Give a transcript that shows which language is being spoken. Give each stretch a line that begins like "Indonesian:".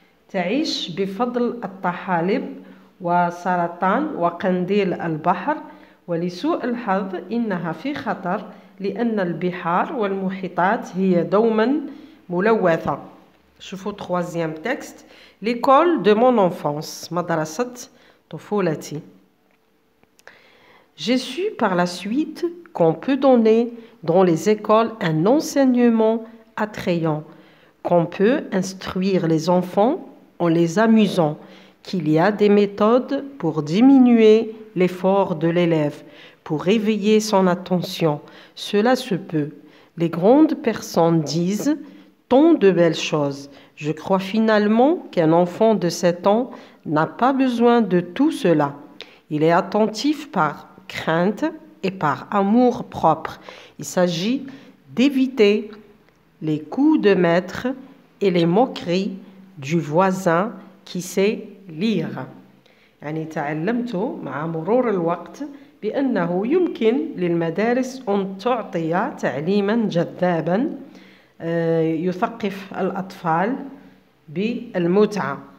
Arabic: تعيش بفضل الطحالب وسرطان وقنديل البحر ولسوء الحظ إنها في خطر لأن البحار والمحيطات هي دوما ملوثة. شوفوا
French: troisième texte, l'école de mon enfance,
Arabic: مدرسة طفولتي.
French: J'ai su par la suite qu'on peut donner dans les écoles un enseignement attrayant, qu'on peut instruire les enfants en les amusant, qu'il y a des méthodes pour diminuer l'effort de l'élève, pour réveiller son attention. Cela se peut. Les grandes personnes disent tant de belles choses. Je crois finalement qu'un enfant de 7 ans n'a pas besoin de tout cela. Il est attentif par crainte et par amour propre. Il s'agit d'éviter les coups de maître et les moqueries du voisin qui sait lire.
Arabic: يعني تعلمت مع مرور الوقت بأنه يمكن للمدارس أن تعطي تعليما جذابا يثقف الأطفال بالمتعة.